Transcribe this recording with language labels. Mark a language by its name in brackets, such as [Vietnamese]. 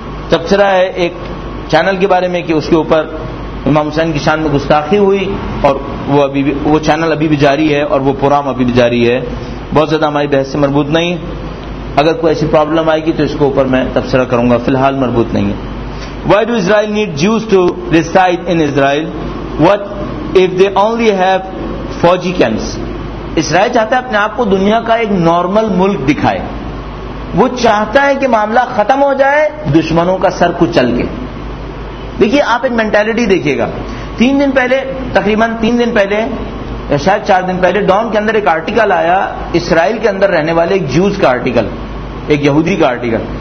[Urdu] تبصرہ ہے ایک چینل کے بارے میں کہ اس کے اوپر امام حسین کی شان میں گستاخی ہوئی، اور وہ چینل ابھی بھی جاری ہے اور وہ پروگرام ابھی بھی جاری ہے. بہت زیادہ ہماری بحث سے مربوط نہیں. اگر کوئی ایسی پرابلم آئے گی تو اس کے اوپر میں تبصرہ کروں گا، فی الحال مربوط نہیں ہے. [English] Why do Israel need Jews to reside in Israel? What if they only have 4G camps? [Urdu] Israel چاہتا ہے اپنے آپ کو دنیا کا ایک نارمل ملک دکھائے. وہ چاہتا ہے کہ معاملہ ختم ہو جائے دشمنوں کا سر کچل کے. دیکھیے آپ ایک مینٹیلٹی دیکھیے گا. تقریباً تین دن پہلے یا شاید 4 دن پہلے ڈان کے اندر ایک آرٹیکل آیا، اسرائیل کے اندر رہنے والے ایک جیوز کا آرٹیکل، ایک یہودی کا آرٹیکل.